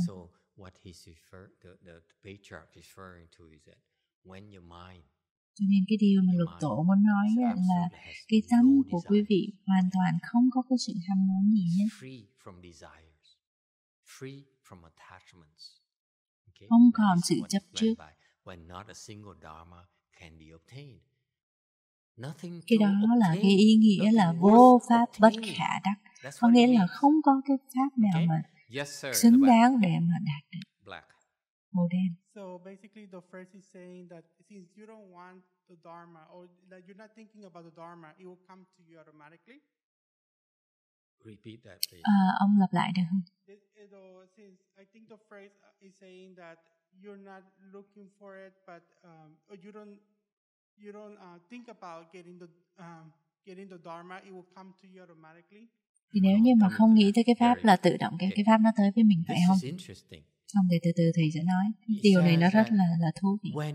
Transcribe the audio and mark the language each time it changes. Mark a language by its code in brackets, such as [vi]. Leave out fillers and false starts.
[en] So what he's the patriarch is referring to is that when your mind. [vi] Cho nên cái điều mà lục tổ muốn nói là cái tâm của quý vị hoàn toàn không có cái sự ham muốn gì nhất. [en] Free from desires, free from attachments. Okay? [vi] Không còn sự chấp trước. [en] When not a single dharma can be obtained. Nothing. [vi] Cái đó là cái ý nghĩa là vô pháp bất khả đắc. Có nghĩa là không có cái pháp nào mà xứng đáng để mà đạt được. [en] Black. [vi] Màu đen. [en] So basically the phrase is saying that since you don't want the dharma or that you're not thinking about the dharma, it will come to you automatically. Repeat that, please. [vi] Ông lặp lại được không? [en] Since I think the phrase is saying that you're not looking for it, but you don't think about getting the dharma, it will come to you automatically. [vi] Thì nếu như mà không nghĩ tới cái pháp là tự động cái pháp nó tới với mình, phải không? Xong thì từ từ thầy sẽ nói. Điều này nó rất là thú vị.